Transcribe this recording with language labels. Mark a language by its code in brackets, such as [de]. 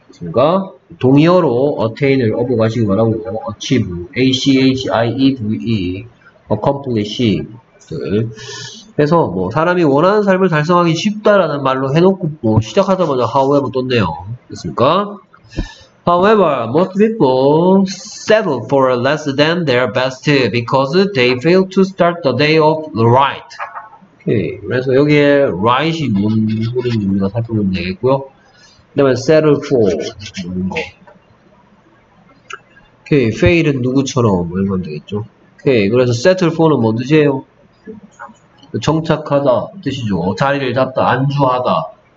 [ko] 그니까 동의어로 attain을 업어 가시기 바라고요. [en] achieve, achieve, accomplish. [ko] 그래서 뭐 사람이 원하는 삶을 달성하기 쉽다라는 말로 해놓고 뭐 시작하자마자 however 떴네요. 그렇습니까? [en] However, most people settle for less than their best because they fail to start the day off right. [ko] 오케이. 그래서 여기에 right이 뭔 소리인지 우리가 살펴보면 되겠고요. 그다음에 settle for 뭐 이런 거. 오케이. fail은 누구처럼 뭐 이런 건 되겠죠. 오케이. 그래서 settle for는 뭔 뜻이에요? 정착하다 뜻이죠. 자리를 잡다, 안주하다.